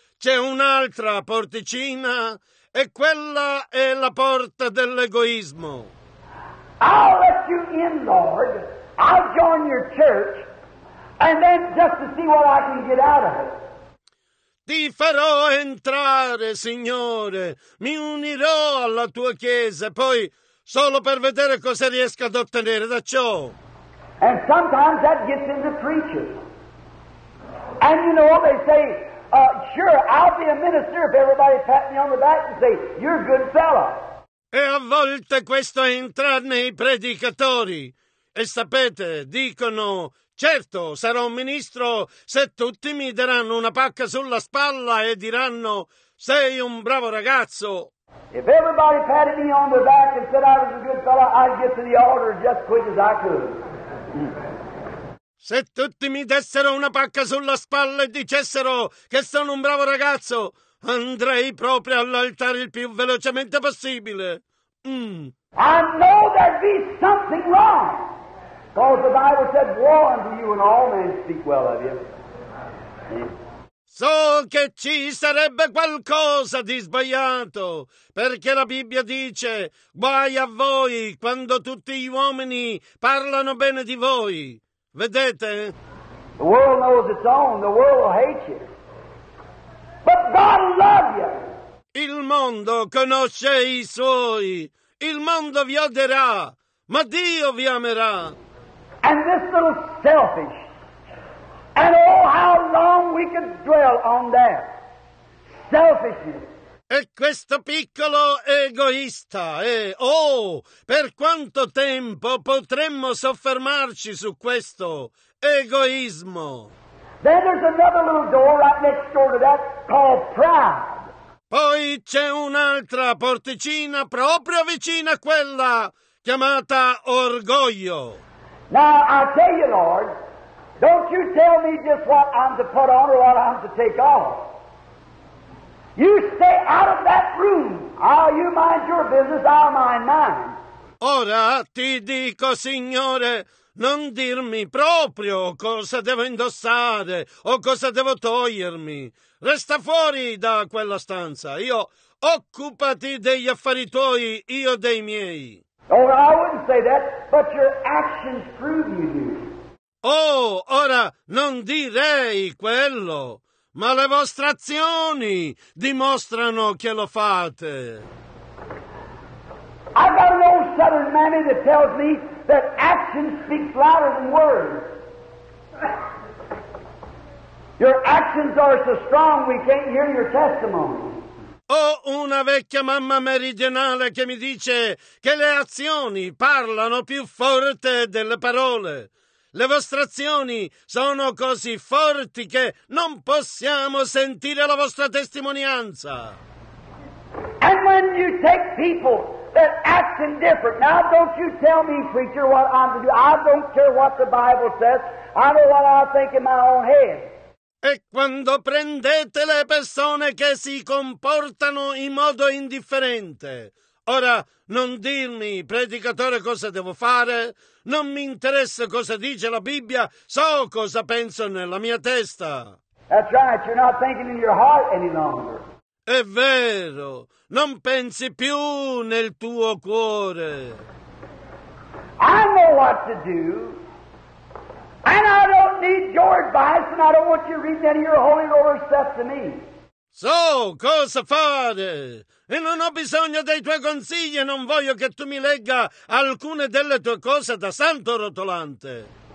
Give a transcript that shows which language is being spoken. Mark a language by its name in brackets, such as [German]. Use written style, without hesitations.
[Italian] C'è un'altra porticina, e quella è la porta dell'egoismo. [English] I'll let you in, Lord. I'll join your church, and then just to see what I can get out of it. [Italian] Ti farò entrare, Signore, mi unirò alla tua chiesa, poi solo per vedere cosa riesco ad ottenere da ciò. [English] And sometimes that gets into preachers. And you know, they say, sure, I'll be a minister if everybody pat me on the back and say, you're a good fella. [Italian] E a volte questo entra nei predicatori. E sapete, dicono, certo, sarò un ministro se tutti mi daranno una pacca sulla spalla e diranno, sei un bravo ragazzo. [English] If everybody patted me on the back and said I was a good fellow, I'd get to the altar just quick as I could. [Italian] Se tutti mi dessero una pacca sulla spalla e dicessero che sono un bravo ragazzo, andrei proprio all'altare il più velocemente possibile. [English] I know there'd be something wrong. Because the Bible said, war unto you and all men speak well of you. [Italian] So che ci sarebbe qualcosa di sbagliato, perché la Bibbia dice, guai a voi quando tutti gli uomini parlano bene di voi. Vedete? [English] The world knows its own, the world will hate you. But God will love you. [Italian] Il mondo conosce i suoi, il mondo vi odierà, ma Dio vi amerà. [English] And this little selfish, and oh, how long we could dwell on that, selfishness. [Italian] E questo piccolo egoista, e oh, per quanto tempo potremmo soffermarci su questo egoismo? [English] Then there's another little door right next door to that called pride. [Italian] Poi c'è un'altra porticina proprio vicina a quella, chiamata orgoglio. [English] Now, I tell you, Lord, don't you tell me just what I'm to put on or what I'm to take off. You stay out of that room. Oh, you mind your business, I'll mind mine. [Italian] Ora ti dico, Signore, non dirmi proprio cosa devo indossare o cosa devo togliermi. Resta fuori da quella stanza. Io occupati degli affari tuoi, io dei miei. [English] Oh, I wouldn't say that, but your actions prove you do. [Italian] Oh, ora non direi quello, ma le vostre azioni dimostrano che lo fate. [English] I've got an old southern mammy that tells me that actions speak louder than words. Your actions are so strong we can't hear your testimony. [Italian] Ho una vecchia mamma meridionale che mi dice che le azioni parlano più forte delle parole. Le vostre azioni sono così forti che non possiamo sentire la vostra testimonianza. [English] And when you take people that act indifferent, now don't you tell me, preacher, what I'm to do. I don't care what the Bible says. I know what I think in my own head. [Italian] E quando prendete le persone che si comportano in modo indifferente. Ora, non dirmi, predicatore, cosa devo fare. Non mi interessa cosa dice la Bibbia. So cosa penso nella mia testa. [English] That's right, you're not thinking in your heart any longer. [Italian] È vero, non pensi più nel tuo cuore. [English] I know what to do. And I don't need your advice, and I don't want you reading any of your holy order stuff to me. [Italian] So, cosa fare? E non ho bisogno dei tuoi consigli, e non voglio che tu mi legga alcune delle tue cose da santo rotolante.